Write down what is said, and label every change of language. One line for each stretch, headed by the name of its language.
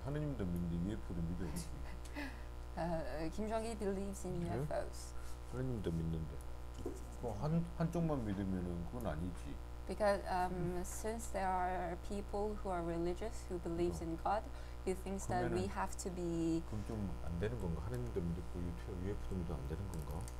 Korean: 하느님도 믿는데 UFO도 믿어야 돼.
English: 김정기 believes in UFOs. 네?
Korean: 하느님도 믿는데. 한쪽만 믿으면은 그건 아니지.
English: Because since there are people who are religious who believes in God, he thinks that we have to be.
Korean: 그럼 좀 안 되는 건가? 하느님도 믿고 UFO도 믿어 안 되는 건가?